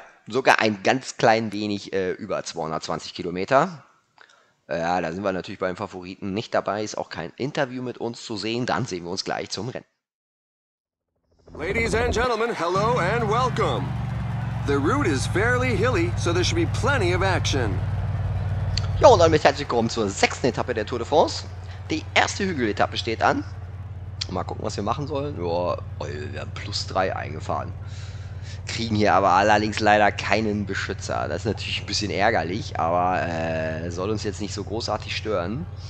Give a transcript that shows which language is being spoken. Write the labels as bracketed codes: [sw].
[de] Sogar ein ganz klein wenig über 220 Kilometer. Ja, da sind wir natürlich beim Favoriten nicht dabei. Ist auch kein Interview mit uns zu sehen. Dann sehen wir uns gleich zum Rennen. [en] Ladies and gentlemen, hello and welcome. The route is fairly hilly, so there should be plenty of action. [de] Ja, und damit herzlich willkommen zur 6. Etappe der Tour de France. Die erste Hügeletappe steht an. Mal gucken, was wir machen sollen. Ja, oh, wir haben plus 3 eingefahren. Kriegen hier aber allerdings leider keinen Beschützer. Das ist natürlich ein bisschen ärgerlich, aber soll uns jetzt nicht so großartig stören.